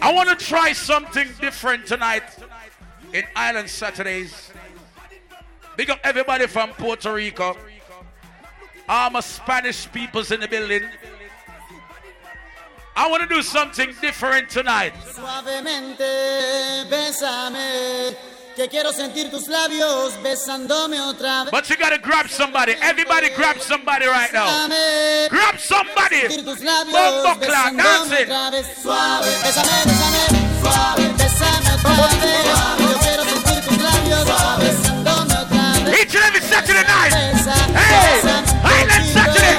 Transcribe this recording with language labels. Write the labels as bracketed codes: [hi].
[en] I wanna try something different tonight. In Island Saturdays, big up everybody from Puerto Rico. All my Spanish peoples in the building. I want to do something different tonight. [es] Suavemente, bésame. Que quiero sentir tus labios besándome otra vez. [en] But you gotta grab somebody. Everybody grab somebody right now. Grab somebody. Bum bocla, dance it. [es] Suave, bésame, bésame. Suave, bésame otra vez. [en] Each and every Saturday night. Hey, Island Saturday.